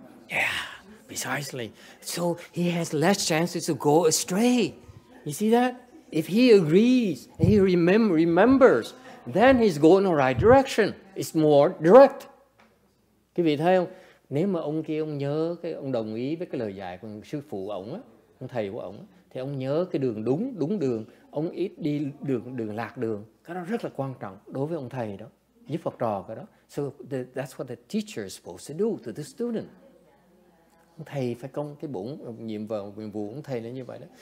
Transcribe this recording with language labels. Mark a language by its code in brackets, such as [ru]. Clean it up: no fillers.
[en] Yeah, precisely. So he has less chances to go astray. You see that? If he agrees, he remembers, then he's going the right direction. It's more direct. [vi] Quý vị thấy không? Nếu mà ông kia ông nhớ cái ông đồng ý với cái lời dạy của sư phụ ông á, ông thầy của ông, thì ông nhớ cái đường đúng đường, ông ít đi đường lạc đường, cái đó rất là quan trọng đối với ông thầy đó, giúp học trò cái đó. [en] So that's what the teacher is supposed to do to the student. [vi] Ông thầy phải công cái bổn nhiệm vụ ông thầy là như vậy đó.